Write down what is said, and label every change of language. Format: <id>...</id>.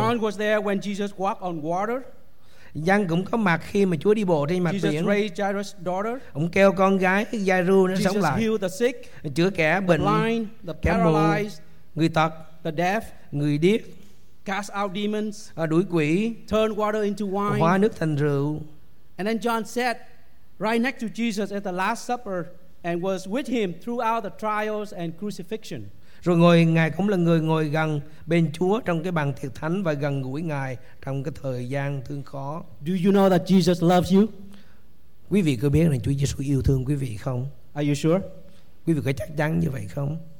<en>John was there when Jesus walked on water.</en> <vi>Giăng cũng có mặt khi mà Chúa đi bộ trên mặt</vi> <en>Jesus</en> <vi>biển.</vi> <en>Raised Jairus' daughter.</en> <vi>Ông kêu con gái Giai-ru nó</vi> <en>Jesus</en> <vi>sống lại.</vi> <en>Jesus healed the sick.</en> <vi>Chữa kẻ bệnh.</vi> <en>The blind, the paralyzed.</en> <vi>Người tật,</vi> <en>the deaf,</en> <vi>người điếc,</vi> <en>cast out demons,</en> <vi>đuổi quỷ,</vi> <en>turn water into wine,</en> <vi>hóa nước thành rượu.</vi> <en>And then John sat right next to Jesus at the Last Supper and was with him throughout the trials and crucifixion.</en> <vi>Rồi ngồi, ngài cũng là người ngồi gần bên Chúa trong cái bàn tiệc thánh và gần gũi ngài trong cái thời gian thương khó.</vi> <en>Do you know that Jesus loves you?</en> <vi>Quý vị có biết rằng Chúa Giêsu yêu thương quý vị không?</vi> <en>Are you sure?</en> <vi>Quý vị có chắc chắn như vậy không?</vi>